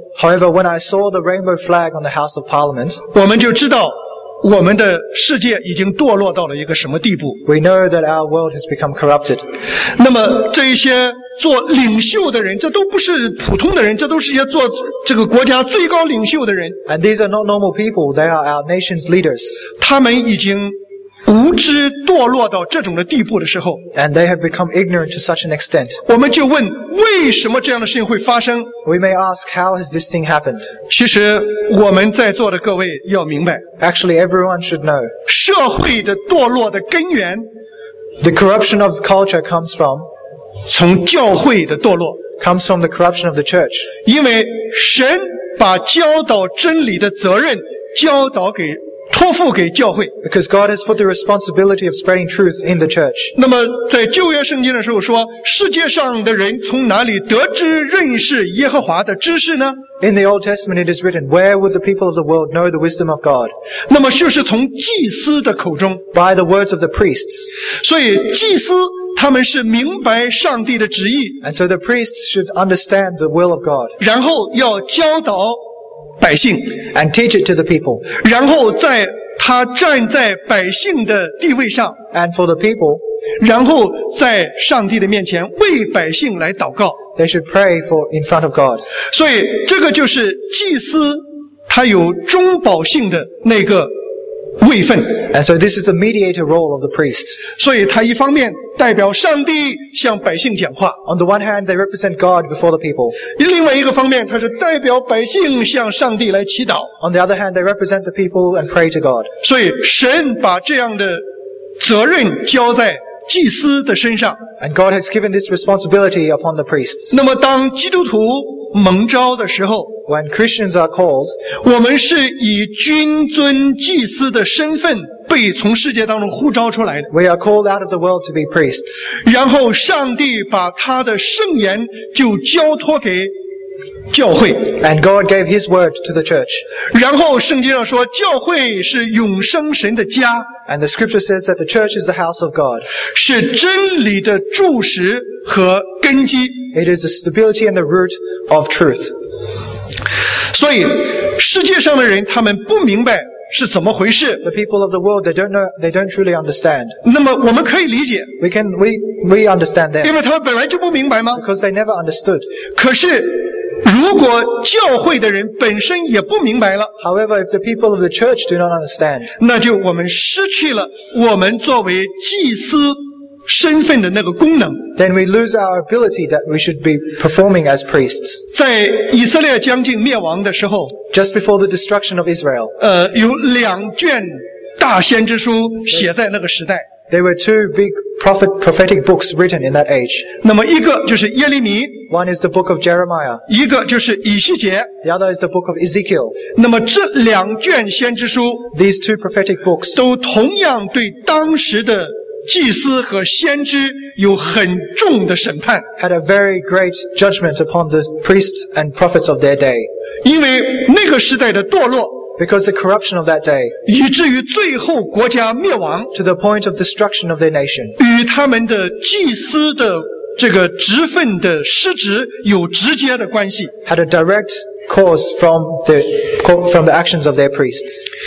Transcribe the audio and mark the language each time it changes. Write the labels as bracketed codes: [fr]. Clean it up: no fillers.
[en] However, when I saw the rainbow flag on the House of Parliament, [zh] 我们就知道我们的世界已经堕落到了一个什么地步。 [en] We know that our world has become corrupted. [zh] 那么这一些做领袖的人，这都不是普通的人，这都是一些做这个国家最高领袖的人。 [en] And these are not normal people, they are our nation's leaders. [zh] 他们已经无知堕落到这种的地步的时候， [en] And they have become ignorant to such an extent. [zh] 我们就问为什么这样的事情会发生。 [en] We may ask, how has this thing happened? [zh] 其实我们在座的各位要明白， [en] Actually, everyone should know. [zh] 社会的堕落的根源， [en] The corruption of the culture comes from [zh] 从教会的堕落， [en] comes from the corruption of the church. [zh] 因为神把教导真理的责任教导给托付给教会。 [en] Because God has put the responsibility of spreading truth in the church. [zh] 那么在旧约圣经的时候说，世界上的人从哪里得知认识耶和华的知识呢？ [en] In the Old Testament it is written, where would the people of the world know the wisdom of God? [zh] 那么就是从祭司的口中。 [en] By the words of the priests. [zh] 所以祭司他们是明白上帝的旨意。 [en] And so the priests should understand the will of God. [zh] 然后要教导百姓， [en] and teach it to the people. [zh] 然后在他站在百姓的地位上， [en] and for the people, [zh] 然后在上帝的面前为百姓来祷告。 [en] They should pray in front of God. [zh] 所以这个就是祭司他有中保性的那个位分。 [en] And so this is the mediator role of the priests. [zh] 所以他一方面代表上帝向百姓讲话。 [en] On the one hand, they represent God before the people. [zh] 另外一个方面，他是代表百姓向上帝来祈祷。 [en] On the other hand, they represent the people and pray to God. [zh] 所以神把这样的责任交在祭司的身上。 [en] And God has given this responsibility upon the priests. [zh] 那么当基督徒蒙召的时候， [en] When Christians are called, [zh] 我们是以君尊祭司的身份被从世界当中呼召出来的。 [en] We are called out of the world to be priests. [zh] 然后上帝把他的圣言就交托给教会。 [en] And God gave his word to the church. [zh] 然后圣经上说教会是永生神的家。 [en] And the scripture says that the church is the house of God. [zh] 是真理的柱石和根基。 [en] It is the stability and the root of truth. [zh] 所以世界上的人他们不明白是怎么回事。 [en] The people of the world, they don't know, they don't truly understand. [zh] 那么我们可以理解。 [en] We understand that. [zh] 因为他们本来就不明白吗？ [en] Because they never understood. [zh] 可是如果教会的人本身也不明白了， [en] However, if the people of the church do not understand, [zh] 那就我们失去了我们作为祭司身份的那个功能。 [en] Then we lose our ability that we should be performing as priests. [zh] 在以色列将近灭亡的时候， [en] Just before the destruction of Israel, [zh] 有两卷大先知书写在那个时代。 [en] There were two big prophetic books written in that age. [zh] 那么一个就是耶利米， [en] One is the book of Jeremiah. [zh] 一个就是以西结， [en] The other is the book of Ezekiel. [zh] 那么这两卷先知书， [en] These two prophetic books [zh] 都同样对当时的祭司和先知有很重的审判， [en] Had a very great judgment upon the priests and prophets of their day. [zh] 因为那个时代的堕落， [en] Because the corruption of that day, [zh] 以至于最后国家灭亡， [en] to the point of destruction of their nation, [zh] 与他们的祭司的这个职分的失职有直接的关系， [en] had a direct cause from the actions of their priests.